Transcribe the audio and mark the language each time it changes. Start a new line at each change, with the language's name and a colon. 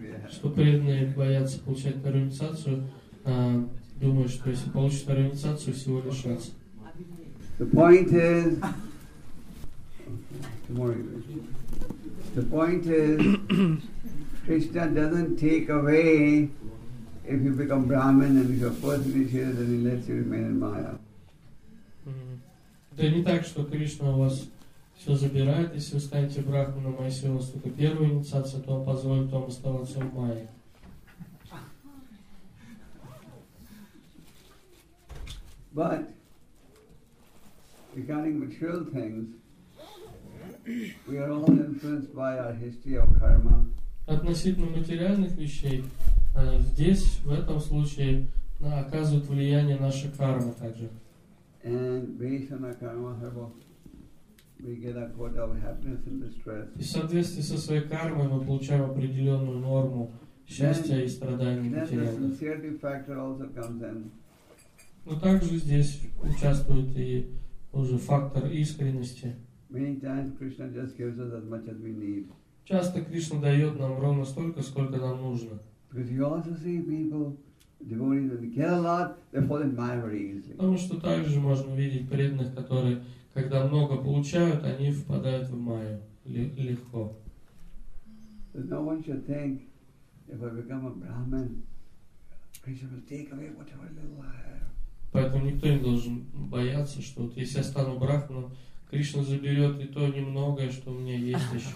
Russian: Что преданные боятся получать вторую инициацию, думают, что если получат вторую инициацию, всего лишатся.
English: The point is, Krishna doesn't take away if you become Brahmin and if you're first initiated, then he lets you remain in Maya.
Russian: Да не так, что Кришна у вас все забирает, если вы станете брахманом, а если у вас только первая инициация, то он позволит вам оставаться в Майе.
English: But regarding material things, We are all influenced by our history of karma.
Russian: Относительно материальных вещей, здесь, в этом случае, оказывает влияние наша карма также.
English: And based on our karma, we get a quota of happiness and distress.
Russian: И в соответствии со своей кармой мы получаем определенную норму счастья и страданий материальных.
English: Then the sincerity factor also comes in.
Russian: Но также здесь участвует и уже фактор искренности.
English: Many times Krishna just gives us as much as we need.
Russian: Часто Кришна дает нам ровно столько, сколько нам нужно.
English: Because you also see people, devotees, that get a lot, they fall in maya very easily.
Russian: Потому что также можно видеть преданных, которые, когда много получают, они впадают в майю легко.
English: But no one should think, if I become a Brahmin, Krishna will take away whatever little I have.
Russian: Поэтому никто не должен бояться, что вот если я стану брахманом, Кришна заберет и то немногое, что у меня есть еще.